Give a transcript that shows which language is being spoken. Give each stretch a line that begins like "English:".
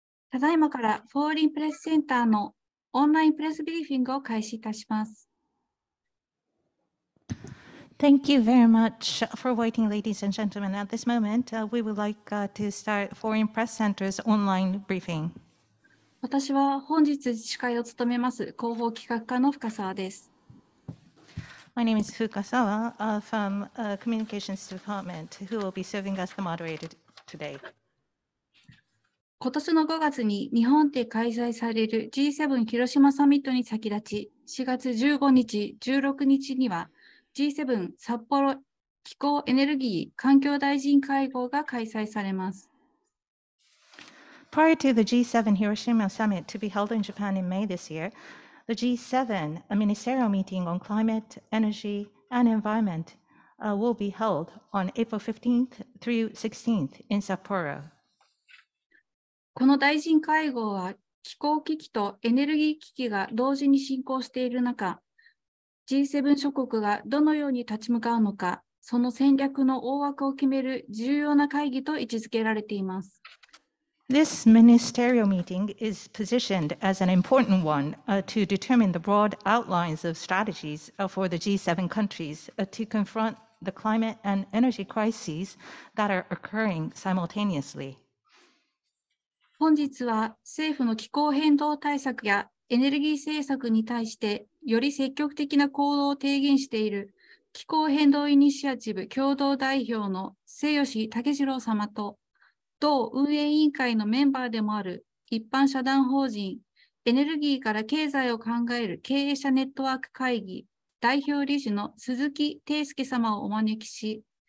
Japanese: ただいまからフォーリンプレスセンターのオンラインプレスブリーフィングを開始いたします。
English: Thank you very much for waiting, ladies and gentlemen. At this moment, we would like to start Foreign Press Center's online briefing.
Japanese: 私は本日司会を務めます広報企画課の深澤です。
English: My name is Fukasawa from Communications Department, who will be serving as the moderator today.
Japanese: 今年の5月に日本で開催される G7 広島サミットに先立ち、4月15日、16日には G7 札幌気候エネルギー環境大臣会合が開催されます。
English: Prior to the G7 Hiroshima Summit to be held in Japan in May this year, the G7, a ministerial meeting on climate, energy and environment, will be held on April 15th through 16th in Sapporo.
Japanese: この大臣会合は気候危機とエネルギー危機が同時に進行している中、G7 諸国がどのように立ち向かうのか、その戦略の大枠を決める重要な会議と位置づけられています。
English: This ministerial meeting is positioned as an important one to determine the broad outlines of strategies for the G7 countries to confront the climate and energy crises that are occurring simultaneously.
Japanese: 本日は政府の気候変動対策やエネルギー政策に対してより積極的な行動を提言している気候変動イニシアティブ共同代表の末吉武次郎様と、同運営委員会のメンバーでもある一般社団法人エネルギーから経済を考える経営者ネットワーク会議代表理事の鈴木貞介様をお招きし、